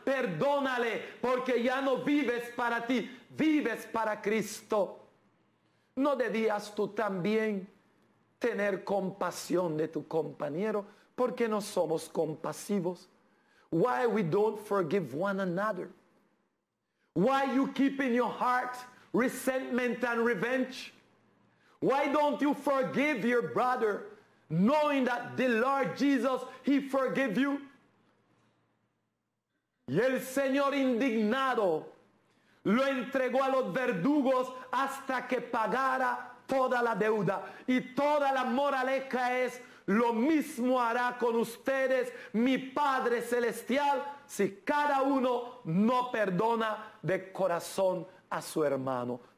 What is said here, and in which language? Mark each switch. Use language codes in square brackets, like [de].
[es] Perdónale porque ya no vives para ti. Vives para Cristo. ¿No debías tú también tener compasión de tu compañero, porque no somos compasivos. [en] Why we don't forgive one another? Why you keep in your heart resentment and revenge? Why don't you forgive your brother, knowing that the Lord Jesus, he forgave you? [es] Y el Señor indignado lo entregó a los verdugos hasta que pagara toda la deuda. Y toda la moraleja es, lo mismo hará con ustedes mi Padre Celestial si cada uno no perdona de corazón a su hermano.